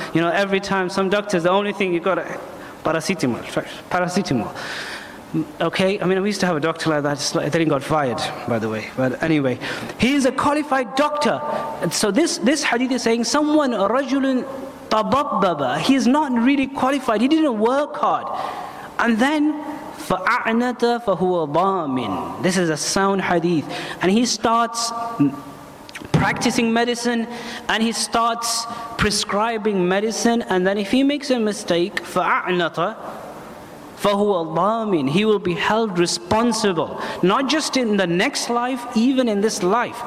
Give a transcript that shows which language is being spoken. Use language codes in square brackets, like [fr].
[en] You know, every time, some doctors, the only thing you got, paracetamol. Okay, I mean, we used to have a doctor like that, then he got fired, by the way. But anyway, he is a qualified doctor. And so this hadith is saying, someone, [ar] رَجُلٌ طَبَبَّبَ, [en] he is not really qualified, he didn't work hard. And then, [ar] فَأَعْنَتَ فَهُوَ ضَامِن. [en] This is a sound hadith. And he starts practicing medicine, and he starts prescribing medicine, and then if he makes a mistake, [ar] فَأَعْنَتَ فَهُوَ ضَامِن. [en] He will be held responsible, not just in the next life, even in this life.